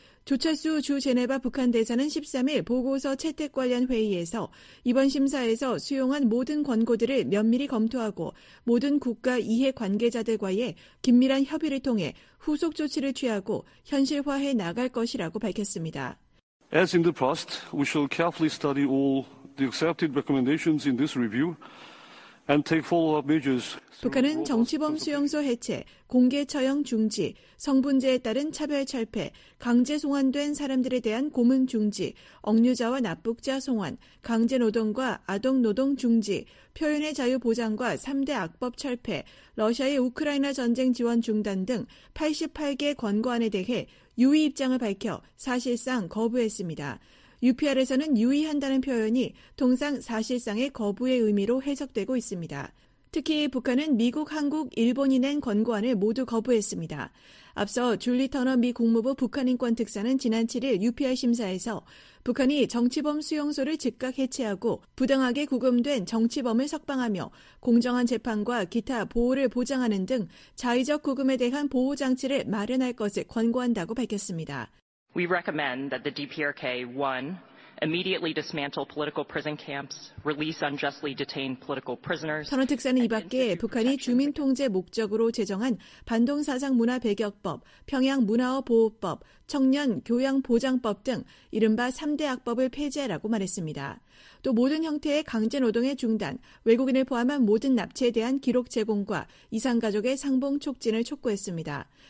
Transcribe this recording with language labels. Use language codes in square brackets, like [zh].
[ko] 조철수 주 제네바 북한 대사는 13일 보고서 채택 관련 회의에서 이번 심사에서 수용한 모든 권고들을 면밀히 검토하고 모든 국가 이해 관계자들과의 긴밀한 협의를 통해 후속 조치를 취하고 현실화해 나갈 것이라고 밝혔습니다. [en] As in the past, we shall carefully study all the accepted recommendations in this review. [ko] 북한은 정치범 수용소 해체, 공개 처형 중지, 성분제에 따른 차별 철폐, 강제 송환된 사람들에 대한 고문 중지, 억류자와 납북자 송환, 강제 노동과 아동 노동 중지, 표현의 자유 보장과 3대 악법 철폐, 러시아의 우크라이나 전쟁 지원 중단 등 88개 권고안에 대해 유의 입장을 밝혀 사실상 거부했습니다. UPR에서는 유의한다는 표현이 통상 사실상의 거부의 의미로 해석되고 있습니다. 특히 북한은 미국, 한국, 일본이 낸 권고안을 모두 거부했습니다. 앞서 줄리 터너 미 국무부 북한인권특사는 지난 7일 UPR 심사에서 북한이 정치범 수용소를 즉각 해체하고 부당하게 구금된 정치범을 석방하며 공정한 재판과 기타 보호를 보장하는 등 자의적 구금에 대한 보호장치를 마련할 것을 권고한다고 밝혔습니다. [en] We recommend that the DPRK 1 immediately dismantle political prison camps, release unjustly detained political prisoners. [ko] 터너 특사는 이밖에 북한이 주민 통제 목적으로 제정한 반동 사상 문화 배격법, 평양 문화어 보호법, 청년 교양 보장법 등 이른바 3대 악법을 폐지하라고 말했습니다. 또 모든 형태의 강제 노동의 중단, 외국인을 포함한 모든 납치에 대한 기록 제공과 이산 가족의 상봉 촉진을 촉구했습니다.